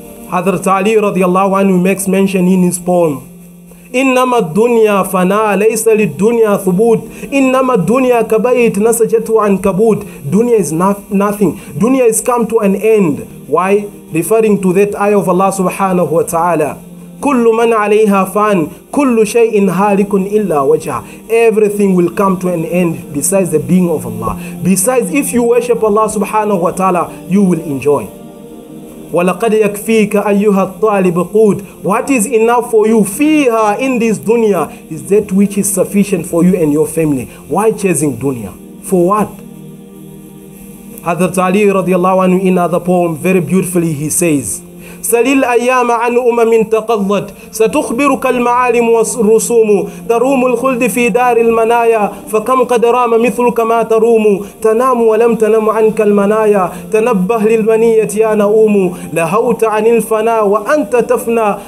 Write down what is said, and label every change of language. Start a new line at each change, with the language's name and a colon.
English: Hazrat Ali radiallahu anhu makes mention in his poem,
Arabic: إنما الدنيا فناء ليس للدنيا ثبوت إنما الدنيا كبيت نسجت عن كبوت.
English: Dunya is nothing. Dunya is come to an end. Why? Referring to that ayah of Allah subhanahu wa ta'ala.
Arabic: كل من عليها فان كل شيء هالك إلا وجهه.
English: Everything will come to an end besides the being of Allah. Besides, if you worship Allah subhanahu wa ta'ala, you will enjoy.
Arabic: وَلَقَدْ يَكْفِيكَ أَيُّهَا الطَّالِبُ قُودْ.
English: What is enough for you, fiha, in this dunya, is that which is sufficient for you and your family. Why chasing dunya? For what? Hadhrat Ali radiallahu anhu, in other poem, very beautifully he says,
Arabic: سَلِ الْأَيَّامَ عَنْ أُمَمٍ تَقَضَّتْ سَتُخْبِرُكَ الْمَعَالِمُ وَالرُّسُومُ تَرُومُ الْخُلْدِ فِي دَارِ الْمَنَايَا فَكَمْ قَدْ رَامَ مِثْلُكَ مَا تَرُومُ تَنَامُ وَلَمْ تَنَمْ عَنْكَ الْمَنَايَا تَنَبَّهْ لِلْمَنِيَّةِ يَا نَؤُومُ لَهَوْتَ عَنِ الْفَنَا وَأَنْتَ تَفْنَى